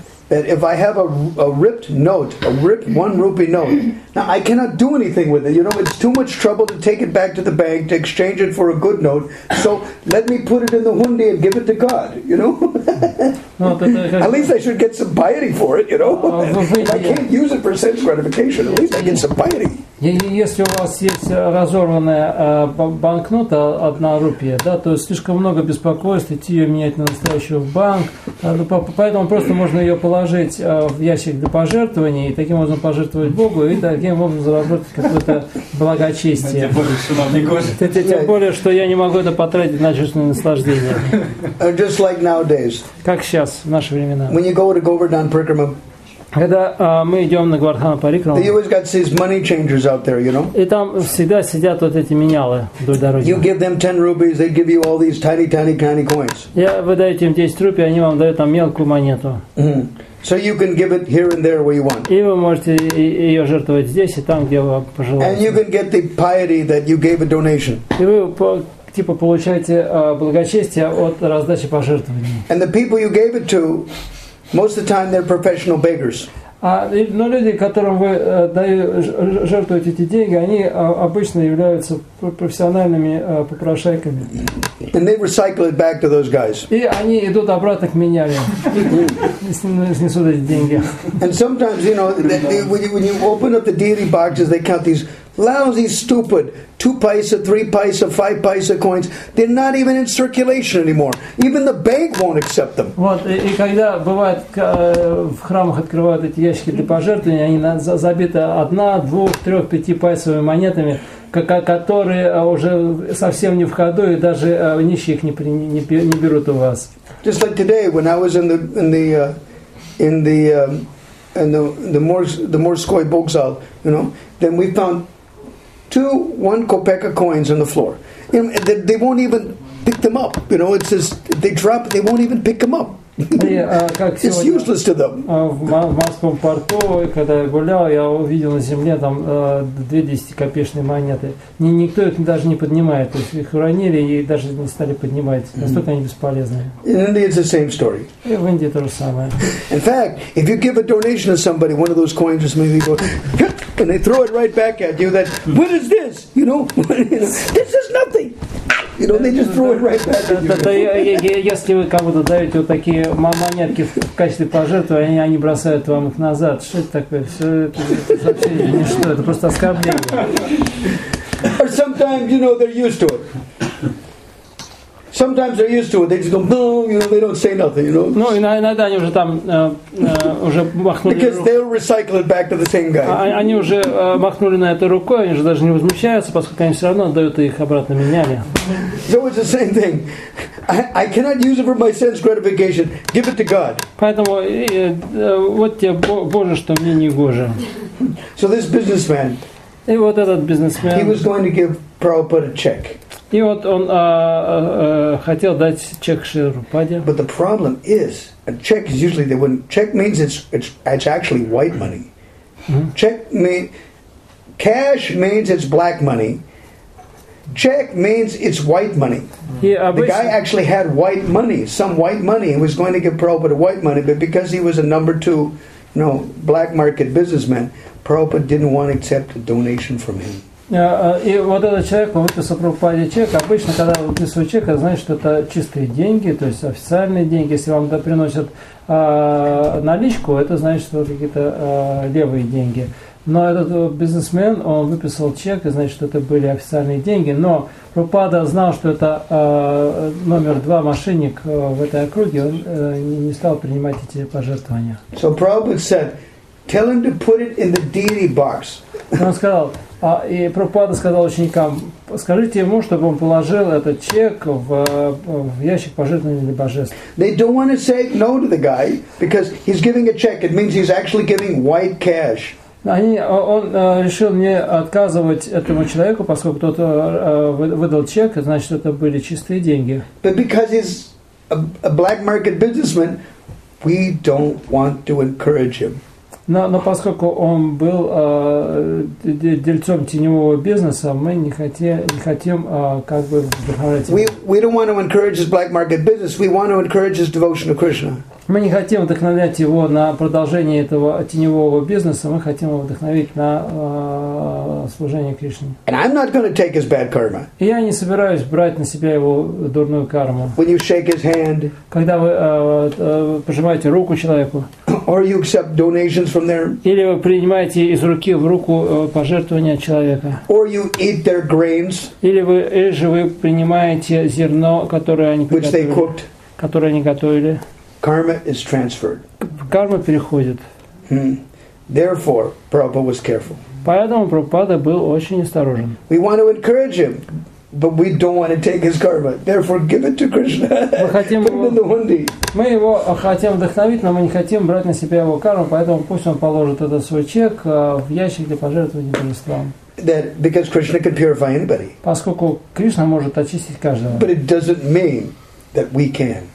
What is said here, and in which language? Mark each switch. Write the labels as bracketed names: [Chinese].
[English] that if I have a ripped note, a ripped 1 rupee note, now I cannot do anything with it. You know, it's too much trouble to take it back to the bank to exchange it for a good note. So let me put it in the hundi and give it to God, you know? At least I should get some piety for it, you know? I can't use it for sense gratification. At least I get some piety. [Russian] Если у вас есть разорванная банкнота 1 рупия, да, то слишком много беспокойств идти ее менять на настоящую в банк. Поэтому просто можно ее положить в ящик для пожертвований и таким образом пожертвовать Богу и таким образом заработать какое-то благочестие. Тем более, что я не могу это потратить на чувственное наслаждение. [English] Just like nowadays. [Russian] Как сейчас, в наши времена. [English] When you go to Govardhan Parikrama, [Russian] когда мы идем на Гвардхану Парикрама, и там всегда сидят вот эти менялы вдоль дороги. Вы даете им 10 рупий, они вам дают там мелкую монету. [English] So you can give it here and there where you want. [Russian] И вы можете ее жертвовать здесь и там, где вы пожелаете. [English] And you can get the piety that you gave a donation. [Russian] И вы типа получаете благочестие от раздачи пожертвований. [English] And the people you gave it to, most of the time they're professional beggars. [Russian] Но люди, которым вы жертвуете эти деньги, они обычно являются профессиональными попрошайками. [English] And they recycle it back to those guys. [Russian] И они идут обратно к меняльям. Снесут эти деньги. [English] And sometimes, you know, when you open up the deity boxes, they count these lousy, stupid 2 paisa, 3 paisa, 5 paisa coins. They're not even in circulation anymore. Even the bank won't accept them. [Russian] Вот, и когда бывает, в храмах открывают эти ящики для пожертвований, они забиты 1, 2, 3, 5 пайсовыми монетами, которые уже совсем не в ходу, и даже нищие их не берут у вас. [English] Just like today, when I was in the Morskoy Bogzal, you know, then we found 2 1-kopeka coins on the floor. You know, they won't even pick them up. You know, it's just, they drop, they won't even pick them up. It's useless to them. [Russian] В Морском порту, когда я гулял, я увидел на земле там 2 10-копеечные монеты. Никто их даже не поднимает. То есть их уронили и даже не стали поднимать. Настолько они бесполезны. [English] In India, it's the same story. [Russian] И в Индии то же самое. [English] In fact, if you give a donation to somebody, one of those coins just maybe go... And they throw it right back at you. That what is this? You know, this is nothing. You know, they just throw it right back at you. [Russian] Если вы кому-то даете вот такие монетки в качестве пожертвования, они бросают вам их назад. Что это такое? Все это вообще ничто. Это просто оскорбление. [English] Or sometimes, you know, they're used to it. Sometimes they're used to it. They just go, no, you know, they don't say nothing, you know. [Russian] Ну, иногда они уже там уже махнули. [English] Because they'll recycle it back to the same guy. [Russian] Они уже махнули на это рукой, они же даже не возмущаются, поскольку они все равно отдают их обратно меняли. [English] So it's the same thing. I cannot use it for my sense gratification. Give it to God. [Russian] Поэтому вот тебе Боже, что мне не гоже. [English] So this businessman. [Russian] И вот этот бизнесмен. [English] He was going to give Prabhupada a check. [Russian] И вот он хотел дать чек Шрилупаде. [English] But the problem is, a check is usually they wouldn't. Check means it's actually white money. Mm-hmm. Check means cash means it's black money. Check means it's white money. Yeah, the guy actually had white money, some white money. He was going to give Prabhupada white money, but because he was a number two, you know, black market businessman, Prabhupada didn't want to accept a donation from him. [Russian] И вот этот человек, он выписал Прабхупаде чек. Обычно, когда выписывают чек, это значит, что это чистые деньги, то есть официальные деньги. Если вам приносят наличку, это значит, что какие-то левые деньги. Но этот бизнесмен, он выписал чек, и значит, что это были официальные деньги. Но Прабхупада знал, что это номер два мошенник в этой округе, он не стал принимать эти пожертвования. [English] So Prabhupada said, tell him to put it in the deity box. [Russian] Он сказал... И Прабхупада сказал ученикам, скажите ему, чтобы он положил этот чек в ящик пожертвований для божеств. [English] They don't want to say no to the guy, because he's giving a check. It means he's actually giving white cash. [Russian] Он решил не отказывать этому человеку, поскольку тот выдал чек, значит, это были чистые деньги. [English] But because he's a black market businessman, we don't want to encourage him. [Russian] Но поскольку он был дельцом теневого бизнеса, мы не хотим как бы... [English] We don't want to encourage his black market business. We want to encourage his devotion to Krishna. [Russian] Мы не хотим вдохновлять его на продолжение этого теневого бизнеса, мы хотим его вдохновить на служение Кришне. [English] And I'm not going to take his bad karma. [Russian] И я не собираюсь брать на себя его дурную карму. [English] When you shake his hand, [Russian] когда вы пожимаете руку человеку, [English] or you accept donations from their, [Russian] или вы принимаете из руки в руку пожертвования человека, [English] or you eat their grains, [Russian] или же вы принимаете зерно, которое они приготовили, [English] which they cooked, [Russian] которое они готовили. [English] Karma is transferred. [Russian] Карма переходит. [English] Therefore, Prabhupada was careful. [Russian] Поэтому Прабхупада был очень осторожен. [English] We want to encourage him, but we don't want to take his karma. Therefore, give it to Krishna. [Russian] Мы хотим [English] put it in the hundi. [Russian] Мы его хотим вдохновить, но мы не хотим брать на себя его карму, поэтому пусть он положит этот свой чек в ящик для пожертвования божествам. [English] That because Krishna can purify anybody. [Russian] Поскольку Кришна может очистить каждого. [English] But it doesn't mean that we can.